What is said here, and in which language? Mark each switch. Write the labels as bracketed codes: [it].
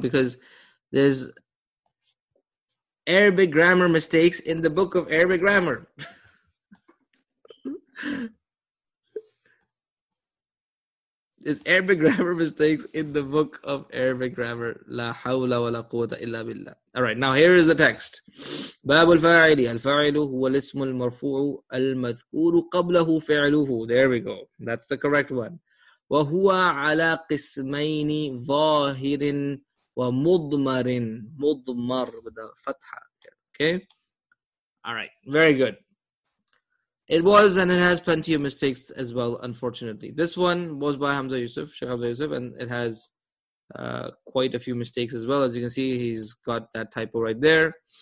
[en] Because there's Arabic grammar mistakes in the book of Arabic grammar. There's Arabic grammar mistakes in the book of Arabic grammar. [ar] لا حول ولا قوة إلا بالله. [en] All right, now here is the text. [ar] باب الفاعل. الفاعل هو الاسم المرفوع المذكور قبله فعله. [en] There we go. That's the correct one. [ar] وهو على قسمين ظاهر ومضمر. [en] مضمر with a فتحة. Okay. All right. Very good. It was, and it has plenty of mistakes as well, unfortunately. This one was by Hamza Yusuf, Sheikh Hamza Yusuf, and it has quite a few mistakes as well. As you can see, he's got that typo right there.